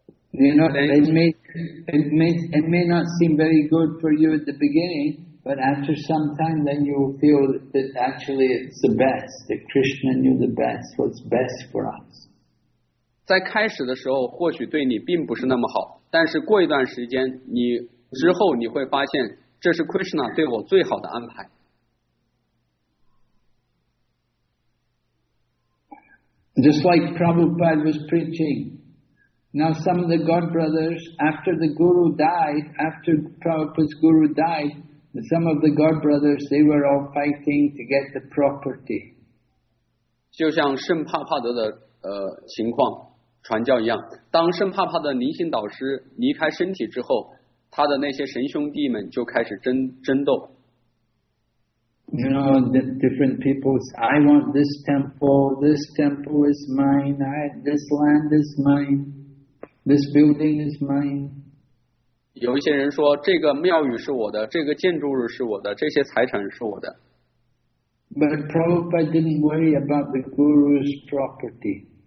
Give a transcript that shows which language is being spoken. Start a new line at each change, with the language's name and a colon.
English: You know, it may not seem very good for you at the beginning, but after some time, then you will feel that actually it's the best. That Krishna knew the best, what's best for us.
Chinese: 在开始的时候，或许对你并不是那么好，但是过一段时间，你。之后你会发现，这是 Krishna 对我最好的安排。
English: Just like Prabhupada was preaching. Now some of the God brothers, after the Guru died, after Prabhupada's Guru died, some of the God brothers, they were all fighting to get the property.
Chinese: 就像圣帕帕德的情况传教一样，当圣帕帕的离心导师离开身体之后， 他的那些神兄弟们就开始争斗。
English: You know, the different people say, I want this temple is mine, this land is mine, this building is mine.
Chinese: 有一些人说, 这个庙宇是我的, 这个建筑物是我的, 这些财产是我的。
English: But Prabhupada didn't worry about the Guru's property.